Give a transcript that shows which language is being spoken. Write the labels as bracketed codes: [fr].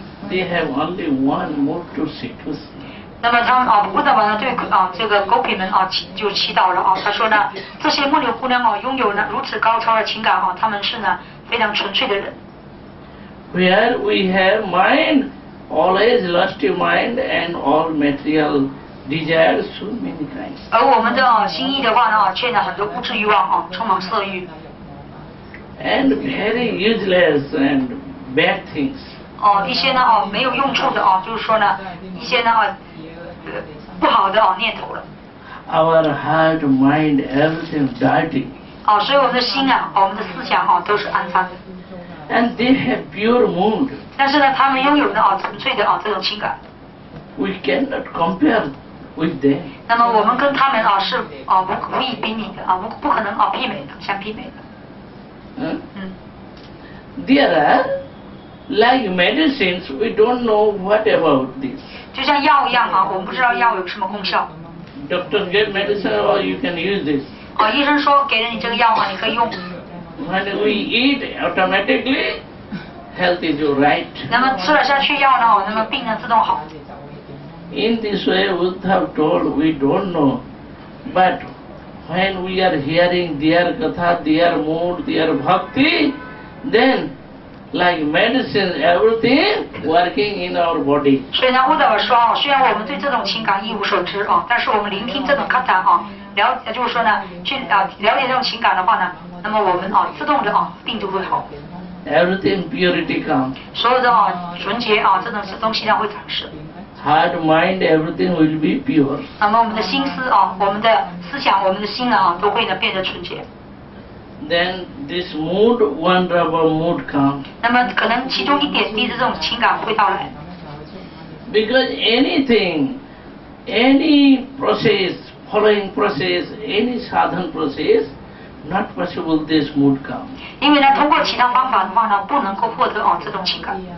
[en] They have only one mood to Sri Krishna. [zh] 那么他乌达王对这个狗皮们就祈祷了他说呢，这些牧牛姑娘拥有呢如此高超的情感他们是呢非常纯粹的人。 [en] Where we have mind, always lusty mind and all material desires, so many kinds. [zh] 而我们的心意的话呢，却呢很多物质欲望充满色欲。 [en] And very useless and bad things. [zh] 一些呢没有用处的就是说呢一些呢。不好的念头了。 [en] Our heart, mind, everything dirty. [zh] 所以我们的心我们的思想都是肮脏的。 [en] And they have pure mood. [zh] 但是呢，他们拥有的纯粹的这种情感。 [en] We cannot compare weekday. [zh] 那么我们跟他们啊是啊无无以比拟的啊无不可能啊媲美的相媲美的。嗯。 [en] There are like medicines we don't know what about this. [zh] 就像药一样啊，我们不知道药有什么功效。 [en] Doctor gave medicine, or you can use this. [zh] 啊，医生说给了你这个药啊，你可以用。 [en] When we eat automatically. Health is your right. [zh] 那么吃了下去药呢，那么病呢自动好。 [en] In this way, Buddha told we don't know, but when we are hearing their katha, their mood, their bhakti, then like medicine, everything working in our body. [zh] 所以呢，悟道说啊，虽然我们对这种情感一无所知啊，但是我们聆听这种katha啊，了就是说呢，去啊了解这种情感的话呢，那么我们啊自动的啊病就会好。 [en] Everything purity comes. [zh] 所有的啊纯洁啊这种东西呢会产生。 [en] Heart, mind, everything will be pure. [zh] 那么我们的心思啊，我们的思想，我们的心呢啊，都会呢变得纯洁。 [en] Then this mood, wonderful mood comes. [zh] 那么可能其中一点滴的这种情感会到来。 [en] Because anything, any process, following process, any sadhan process. Not possible this mood come. [zh] 因为呢，通过其他方法的话呢，不能够获得啊这种情感。